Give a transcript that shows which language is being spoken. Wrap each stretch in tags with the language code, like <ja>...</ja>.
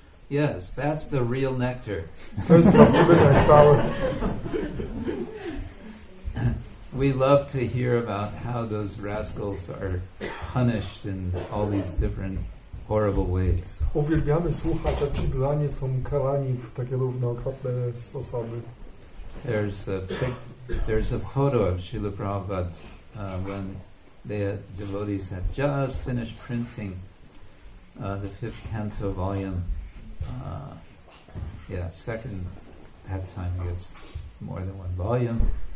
<en>Yes, that's the real nectar.</en> <pl>To jest prawdziwy nektar.</pl> <en>We love to hear about how those rascals are punished in all these different horrible ways.</en> <pl>Uwielbiamy słuchać, jak ci dlanie są karani w takie różne okropne sposoby.</pl> <en>There's a photo of Srila Prabhupada when the devotees had just finished printing the fifth canto volume. Second, that time I guess more than one volume.</en>